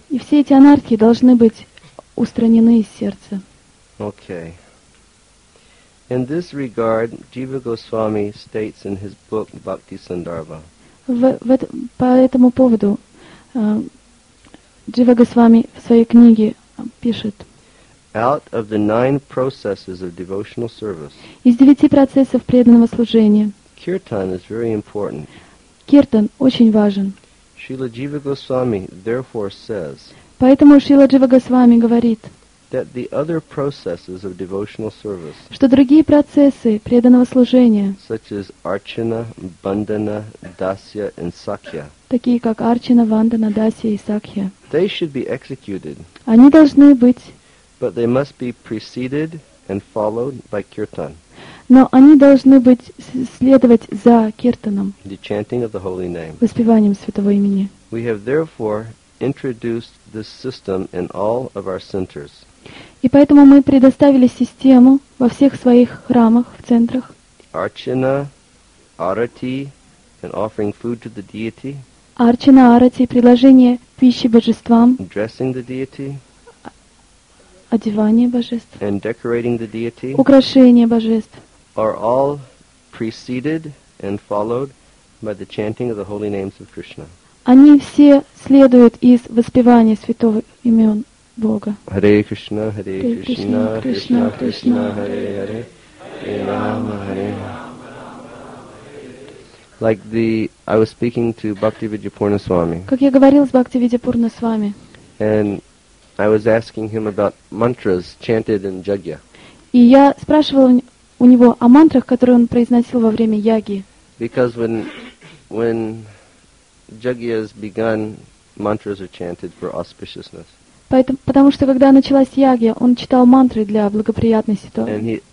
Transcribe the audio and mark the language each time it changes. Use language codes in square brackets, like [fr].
[ru] И все эти анархии должны быть устранены из сердца. [en] Okay. In this regard, Jiva Goswami states in his book Bhakti Sandarbha. [ru] По этому поводу Jiva Goswami в своей книге пишет. [en] Out of the 9 processes of devotional service. [ru] Из 9 процессов преданного служения. [en] Kirtan is very important. [ru] Киртан очень важен. [en] Srila Jiva Goswami therefore says. [ru] Поэтому Шрила Джива Госвами говорит. [en] That the other processes of devotional service. [ru] Что другие процессы преданного служения. [en] Such as Archana, Bandana, Dasya and Sakya. [ru] Такие как Archana, Vandana, Dasya и Sakya. [en] They should be executed. [ru] Они должны быть. [en] But they must be preceded and followed by Kirtan. [ru] Но они должны быть следовать за киртаном. [en] The chanting of the holy name. [ru] Воспеванием святого имени. [en] We have therefore introduced this system in all of our centers. [ru] И поэтому мы предоставили систему во всех своих храмах, в центрах. [en] Archana, arati, and offering food to the deity. [ru] Archana, arati, предложение пищи божествам. [en] Dressing the deity. [ru] Одевание божеств. [en] And decorating the deity. [ru] Украшение божеств. [en] Are all preceded and followed by the chanting of the holy names of Krishna. [ru] Они все следуют из воспевания святого имен Бога. [sa] Hare Krishna, Hare Krishna, Krishna Krishna, Hare Hare, Hare Rama, Hare Rama. [en] Like the, I was speaking to Bhakti Vidyapurna Swami. [ru] Как я говорил с Бхакти Видьяпурна Свами. [en] And I was asking him about mantras chanted in Jagya. [ru] И я спрашивал у него о мантрах, которые он произносил во время Яги. [en] Because when Jagya has begun, mantras are chanted for auspiciousness. [ru] Потому что когда началась Ягья, он читал мантры для благоприятной ситуации.